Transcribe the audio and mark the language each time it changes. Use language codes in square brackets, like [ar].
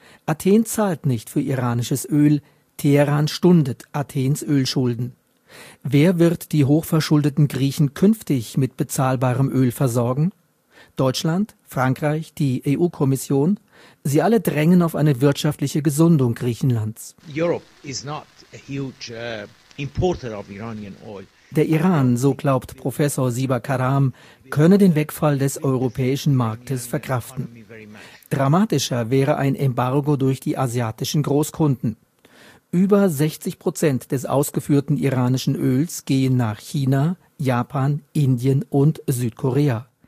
[de] Athen zahlt nicht für iranisches Öl. Teheran stundet Athens Ölschulden. Wer wird die hochverschuldeten Griechen künftig mit bezahlbarem Öl versorgen? Deutschland, Frankreich, die EU-Kommission? Sie alle drängen auf eine wirtschaftliche Gesundung Griechenlands. [en] Europe is not a huge importer of Iranian oil. [de] Der Iran, so glaubt Professor Siba Karam, könne den Wegfall des europäischen Marktes verkraften. Dramatischer wäre ein Embargo durch die asiatischen Großkunden. Über 60% des ausgeführten iranischen Öls gehen nach China, Japan, Indien und Südkorea.